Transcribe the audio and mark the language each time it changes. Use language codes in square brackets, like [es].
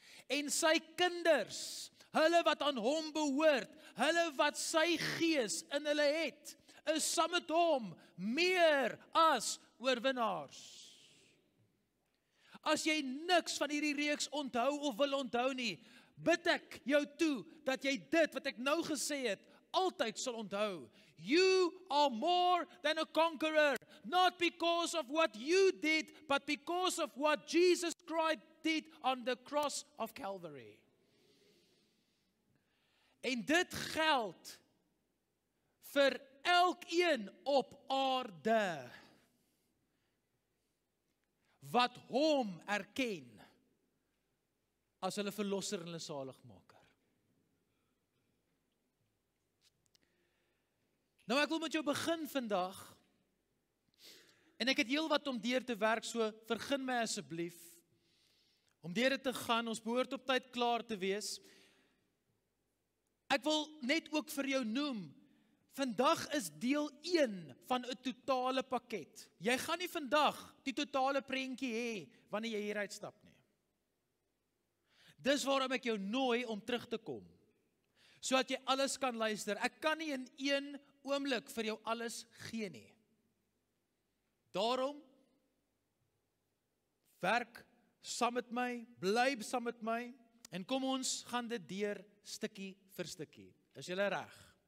[af] En sy kinders, hulle wat aan hom behoort, hulle wat sy gees in hulle het, is saam met hom meer as oorwinnaars. As jy niks van hierdie reeks onthou of wil onthou nie, bid ek jou toe, dat jy dit wat ek nou gesê het, altyd sal onthou. [en] You are more than a conqueror, not because of what you did, but because of what Jesus Christ did on the cross of Calvary. [af] En dit geld vir elkeen op aarde wat hom erken as hulle verlosser en hulle saligmaker. Nou ek wil met jou begin vandag en ek het heel wat om deur te werk, so vergun my asseblief om deur te gaan, ons behoort op tyd klaar te wees. Ek wil net ook vir jou noem, vandag is deel 1 van 'n totale pakket. Jy gaan nie vandag die totale prentjie hê wanneer jy hieruit stap nie. Dis waarom ek jou nooi om terug te kom. Sodat jy alles kan luister. Ek kan nie in een oomblik vir jou alles gee nie. Daarom werk saam met my, bly saam met my, en kom ons gaan dit deur stukkie vir stukkie. Is julle reg?